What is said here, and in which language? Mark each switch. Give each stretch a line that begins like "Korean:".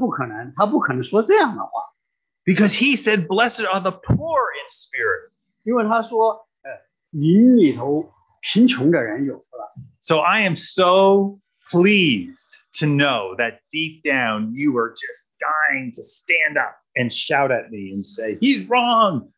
Chinese: 我知道你们现在都是很礼貌，实际上在我们的心的深处呢，我们可能就会想说，不可能，他不可能说这样的话。
English: Because he said, blessed are the poor in spirit.
Chinese: 因为他说，灵里头贫穷的人有福了。
English: So I am so pleased to know that deep down you are just dying to stand up and shout at me and say, he's wrong.